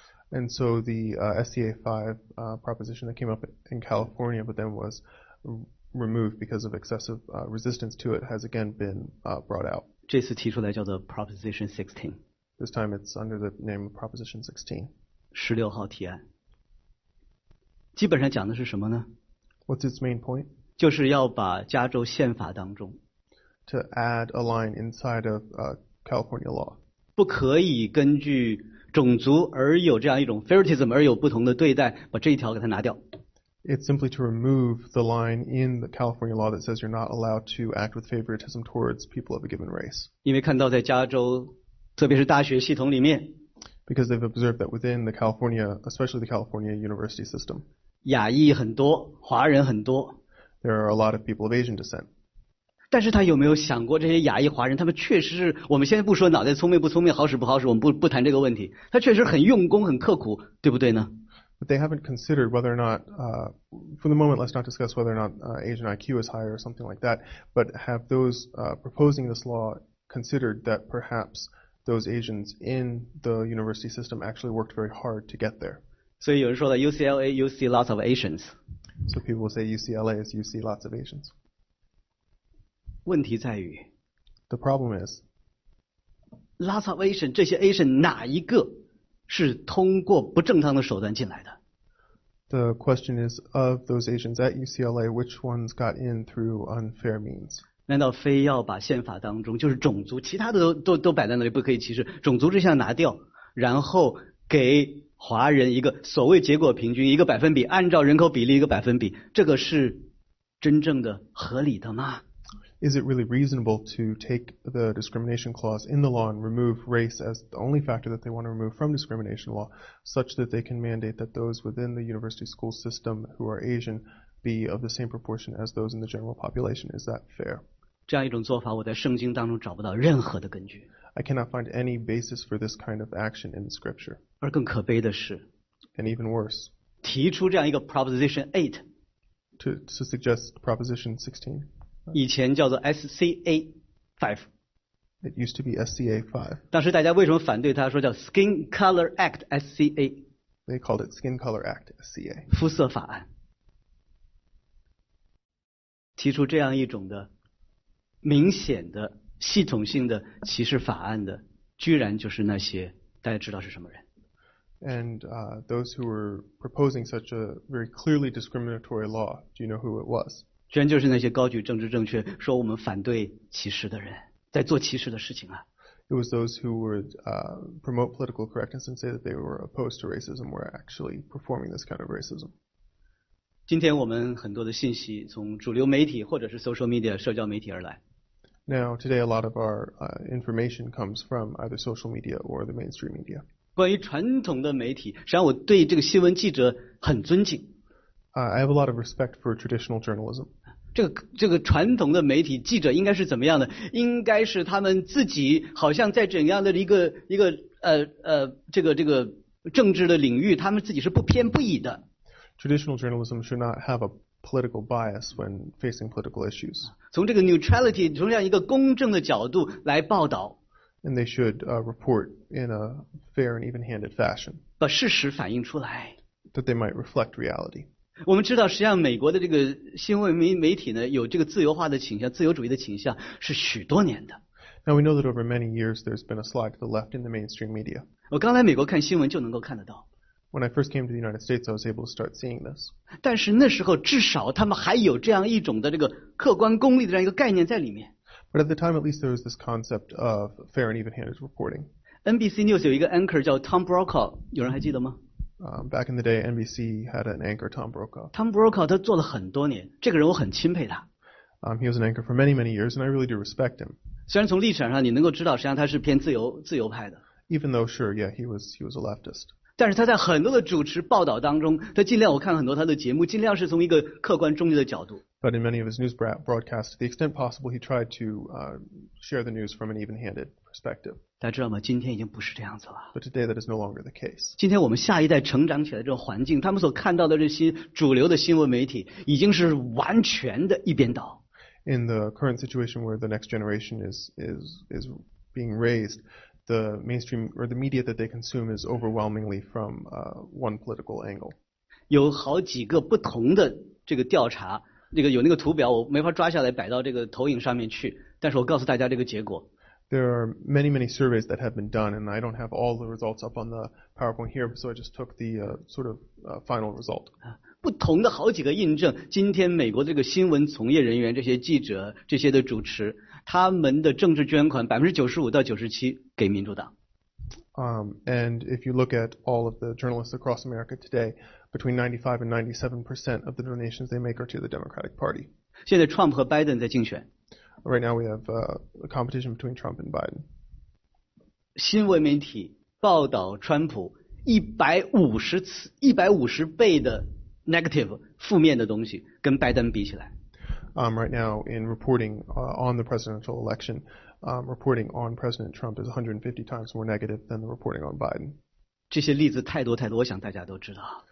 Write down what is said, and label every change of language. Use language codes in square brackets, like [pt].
[en] And so the SCA5 proposition that came up in California but then was removed because of excessive resistance to it has again been brought out. [zh] 这次提出来叫做 Proposition 16. [en] This time it's under the name of Proposition [zh] 16. 16号提案。基本上讲的是什么呢？ [en] What's its main point? [zh] 就是要把加州宪法当中 [en] to add a line inside of California law [zh] 不可以根据种族而有这样一种 favoritism 而有不同的对待，把这一条给它拿掉。 [en] It's simply to remove the line in the California law that says you're not allowed to act with favoritism towards people of a given race. [zh] 因为看到在加州，特别是大学系统里面 [en] because they've observed that within the California, especially the California university system, [zh] 亚裔很多，华人很多。 [en] There are a lot of people of Asian descent. [zh] 但是他有没有想过这些亚裔华人，他们确实是，我们现在不说脑袋聪明不聪明，好使不好使，我们不谈这个问题。他确实很用功，很刻苦，对不对呢？ [en] But they haven't considered whether or not, for the moment, let's not discuss whether or not Asian IQ is higher or something like that. But have those proposing this law considered that perhaps those Asians in the university system actually worked very hard to get there? [zh] 所以有人说了 [en] UCLA, you see lots of Asians. So people will say UCLA is you see lots of Asians. [zh] 问题在于 [en] The problem is Lots of Asians, [zh] 这些 Asian 哪一个是通过不正当的手段进来的？ [en] The question is of those Asians at UCLA, which ones got in through unfair means? [zh] 难道非要把宪法当中就是种族其他的都摆在那里不可以歧视，种族这项拿掉，然后给华人一个所谓结果平均一个百分比，按照人口比例一个百分比，这个是真正的合理的吗？ [en] Is it really reasonable to take the discrimination clause in the law and remove race as the only factor that they want to remove from discrimination law, such that they can mandate that those within the university school system who are Asian be of the same proportion as those in the general population? Is that fair? [zh] 这样一种做法，我在圣经当中找不到任何的根据。 [en] I cannot find any basis for this kind of action in the scripture. [zh] 而更可悲的是 [en] and even worse, [zh] 提出这样一个 Proposition 8 [en] to suggest Proposition 16, [zh] 以前叫做 SCA 5 [en] It used to be SCA 5. [zh] 当时大家为什么反对它说叫 Skin Color Act SCA? [en] They called it Skin Color Act SCA. [zh] 肤色法案。提出这样一种的明显的系统性的歧视法案的居然就是那些大家知道是什么人 [en] and those who were proposing such a very clearly discriminatory law do you know who it was [zh] 居然就是那些高举政治正确说我们反对歧视的人在做歧视的事情啊 [en] it was those who would promote political correctness and say that they were opposed to racism were actually performing this kind of racism [zh] 今天我们很多的信息从主流媒体或者是 social media 社交媒体而来 [en] Now, today, a lot of our information comes from either social media or the mainstream media. [zh] 关于传统的媒体，实际上我对这个新闻记者很尊敬。 [en] I have a lot of respect for traditional journalism. [zh] 这个传统的媒体记者应该是怎么样的？应该是他们自己好像在怎样的一个这个政治的领域，他们自己是不偏不倚的。 [en] Traditional journalism should not have a political bias when facing political issues. [zh] 从这个 neutrality, 从这样一个公正的角度来报道。 [en] And they should report in a fair and even-handed fashion. [zh] 把事实反映出来。 [en] That they might reflect reality. [zh] 我们知道实际上美国的这个新闻媒体呢有这个自由化的倾向自由主义的倾向是许多年的。 [en] Now we know that over many years there's been a slide to the left in the mainstream media. [zh] 我刚来美国看新闻就能够看得到。 [en] When I first came to the United States, I was able to start seeing this. [zh] 但是那时候至少他们还有这样一种的这个客观公理的这样一个概念在里面。 [en] But at the time, at least there was this concept of fair and even-handed reporting. [zh] NBC News 有一个 anchor 叫 Tom Brokaw, 有人还记得吗？ [en] Back in the day, NBC had an anchor, Tom Brokaw. [zh] Tom Brokaw 他做了很多年，这个人我很钦佩他。 [en] He was an anchor for many, many years, and I really do respect him. [zh] 虽然从立场上你能够知道，实际上他是偏自由派的。 [en] Even though, sure, yeah, he was a leftist. [zh] 但是他在很多的主持报道当中，他尽量我看很多他的节目，尽量是从一个客观中立的角度。 [en] But in many of his news broadcasts, to the extent possible, he tried to share the news from an even-handed perspective. [zh] 大家知道吗？今天已经不是这样子了。 [en] But today that is no longer the case. [zh] 今天我们下一代成长起来的这个环境，他们所看到的这些主流的新闻媒体，已经是完全的一边倒。 [en] In the current situation where the next generation is being raised, the mainstream or the media that they consume is overwhelmingly from one political angle. [zh] 有好几个不同的这个调查。那个有那个图表，我没法抓下来摆到这个投影上面去。但是我告诉大家这个结果。 [en] There are many, many surveys that have been done, and I don't have all the results up on the PowerPoint here, so I just took the final result. [zh] 不同的好几个印证，今天美国这个新闻从业人员、这些记者、这些的主持，他们的政治捐款95%-97%给民主党。 [en] And if you look at all of the journalists across America today. Between 95% and 97% of the donations they make are to the Democratic Party. [zh] 现在 Trump 和 Biden 在竞选。 [en] Right now we have a competition between Trump and Biden. [zh] 新闻媒体报道川普150倍的 negative 负面的东西跟 Biden 比起来。 [en] Right now in reporting on the presidential election, reporting on President Trump is 150 times more negative than the reporting on Biden. [zh] 这些例子太多太多，我想大家都知道。